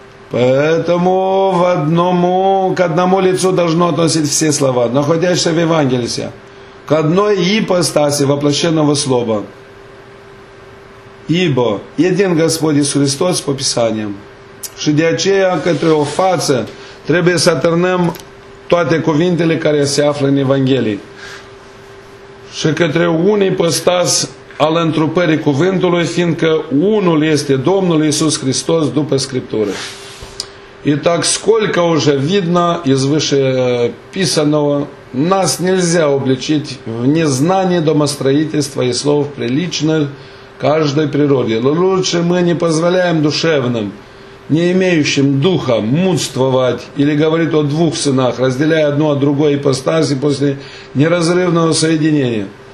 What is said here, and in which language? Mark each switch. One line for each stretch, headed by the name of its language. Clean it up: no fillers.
Russian: Поэтому в одному, к одному лицу должно относить все слова, находящиеся в Евангелии, к одной ипостаси воплощенного слова. Ибо един Господь Иисус Христос по Писаниям.
Romanian: Și de aceea, către o față, trebuie să atârnăm toate cuvintele care se află în Evanghelie. Și către un ipostas al întrupării cuvântului, fiindcă unul este Domnul Iisus Hristos după Scriptură.
Russian: Итак, сколько уже видно из вышеписанного, нас нельзя обличить в незнании домостроительства и слов приличных каждой природе. Но лучше мы не позволяем душевным, не имеющим духа, мудствовать или говорить о двух сынах, разделяя одну от другой ипостаси после неразрывного соединения.